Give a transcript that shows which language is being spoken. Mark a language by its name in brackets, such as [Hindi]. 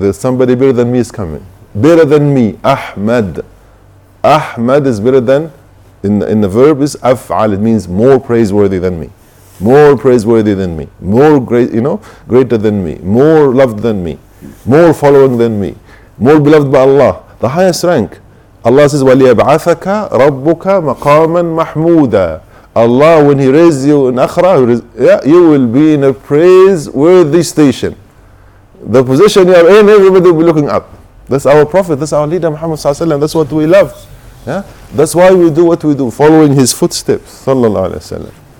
[English] There's somebody better than me is coming. Better than me, Ahmad. Ahmad is better than, in the verb is af'al, it means more praiseworthy than me. More praiseworthy than me, more great, you know, greater than me, more loved than me, more following than me, more beloved by Allah, the highest rank. [Arabic] Allah says, وَلِيَبْعَثَكَ رَبُّكَ مَقَامًا مَحْمُودًا. [English] Allah, when He raises you in Akhirah, you will be in a praiseworthy station. The position you are in, everybody will be looking up. That's our Prophet, that's our leader, Muhammad Sallallahu Alaihi Wasallam. That's what we love. Yeah? That's why we do what we do, following His footsteps, Sallallahu Alaihi Wasallam.